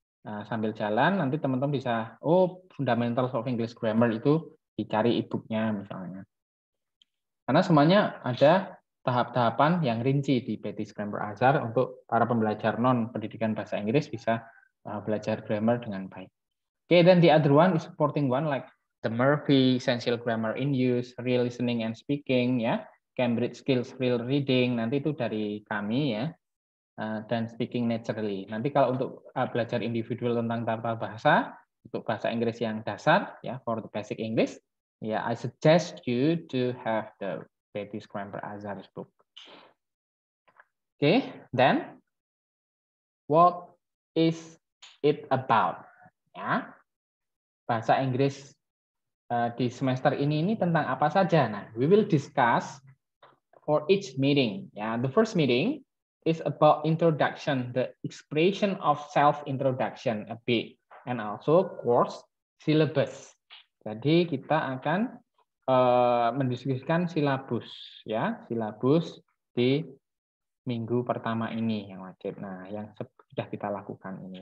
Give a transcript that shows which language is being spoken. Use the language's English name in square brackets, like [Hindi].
[Indonesian] Sambil jalan nanti teman-teman bisa Fundamentals of English Grammar itu dicari e-book-nya misalnya. Karena semuanya ada tahap-tahapan yang rinci di Betty Scrimper Azar untuk para pembelajar non pendidikan bahasa Inggris bisa belajar grammar dengan baik. [English] Okay, then the other one is supporting one like the Murphy Essential Grammar in Use, Real Listening and Speaking, ya, Cambridge Skills Real Reading. [Indonesian] Nanti itu dari kami ya, dan Speaking Naturally. Nanti kalau untuk belajar individual tentang tata bahasa untuk bahasa Inggris yang dasar, ya, for the basic English. [English] Ya, yeah, I suggest you to have the Betty Scrimper Azar's book. Okay, then what is it about? [Indonesian] ya, bahasa Inggris di semester ini tentang apa saja. [English] Nah, we will discuss for each meeting. Ya, the first meeting is about introduction, the expression of self-introduction a bit, and also course syllabus. [Indonesian] Jadi kita akan mendiskusikan silabus, ya, silabus di minggu pertama ini yang wajib. Nah, yang sudah kita lakukan ini.